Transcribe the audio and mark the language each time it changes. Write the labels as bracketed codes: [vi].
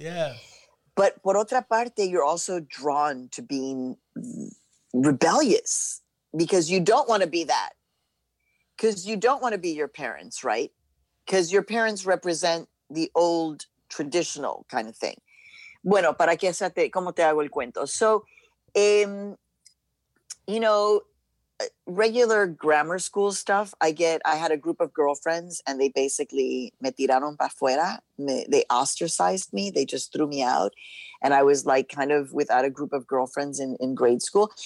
[en] Yeah. But [es] por otra parte, [en] you're also drawn to being rebellious. Because you don't want to be that. Because you don't want to be your parents, right? Because your parents represent the old traditional kind of thing. [es] Bueno, para que se te, ¿cómo te hago el cuento? [en] So, you know, regular grammar school stuff, I had a group of girlfriends and they basically [es] me tiraron para afuera. [en] They ostracized me. They just threw me out. And I was like kind of without a group of girlfriends in grade school.